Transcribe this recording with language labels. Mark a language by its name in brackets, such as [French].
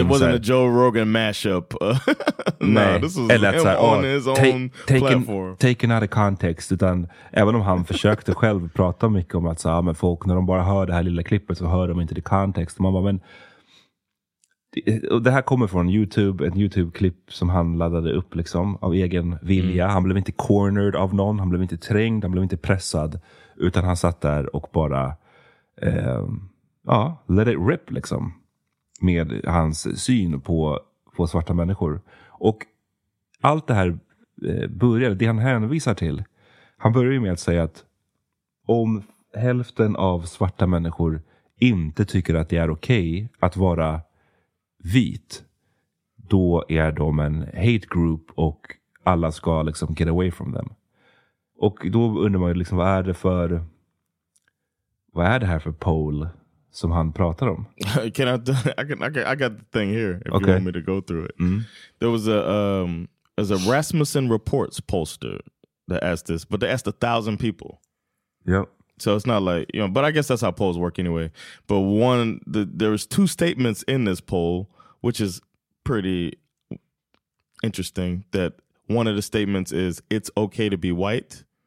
[English] It wasn't a Joe Rogan mashup. [Swedish] Nej. [English] Nah, this was [Swedish] eller [English] him on his own platform. Taken out of context. [Swedish] Utan, även om han försökte själv prata mycket om att så, ah, men folk, när de bara hör det här lilla klippet så hör de inte det kontext. Man bara, men det här kommer från YouTube, ett YouTube-klipp som han laddade upp liksom, av egen vilja. Mm. Han blev inte cornered av någon, han blev inte trängd, han blev inte pressad. Utan han satt där och bara [English] let it rip [Swedish] liksom, med hans syn på svarta människor. Och allt det här började, det han hänvisar till. Han börjar ju med att säga att om hälften av svarta människor inte tycker att det är okej att vara vit, då är de en hate group och alla ska liksom [English] get away from them. [Swedish] Och då undrar man ju liksom, vad är det här för poll som han pratar om? [English] I got the thing here if okay. You want me to go through it. Mm. There was a Rasmussen Reports pollster that asked this, but they asked 1,000 people. Yep. So it's not like, you know, but I guess that's how polls work anyway. But there was two statements in this poll, which is pretty interesting, that one of the statements is it's okay to be white.